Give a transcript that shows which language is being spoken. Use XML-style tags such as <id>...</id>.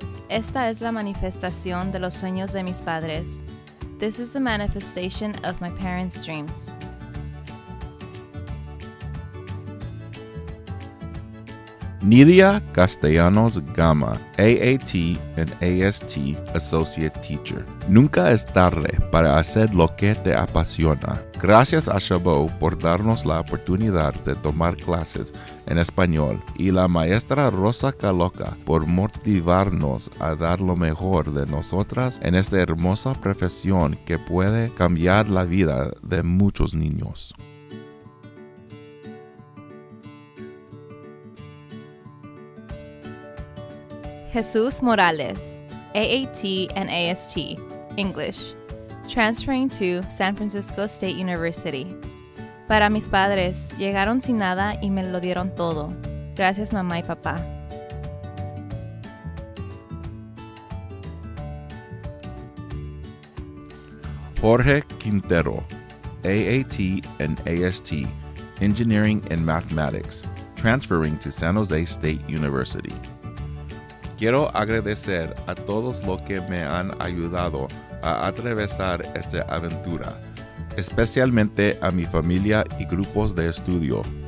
<es>Esta es la manifestación de los sueños de mis padres.</es> <en>This is the manifestation of my parents' dreams. Nidia Castellanos Gama, AAT and AST Associate Teacher.</en> <es>Nunca es tarde para hacer lo que te apasiona. Gracias a Chabot por darnos la oportunidad de tomar clases en español y la maestra Rosa Caloca por motivarnos a dar lo mejor de nosotras en esta hermosa profesión que puede cambiar la vida de muchos niños.</es> <en>Jesús Morales, AAT and AST, English, transferring to San Francisco State University.</en> <es>Para mis padres, llegaron sin nada y me lo dieron todo. Gracias, mamá y papá.</es> <en>Jorge Quintero, AAT and AST, Engineering and Mathematics, transferring to San Jose State University.</en> <es>Quiero agradecer a todos los que me han ayudado a atravesar esta aventura, especialmente a mi familia y grupos de estudio.</es>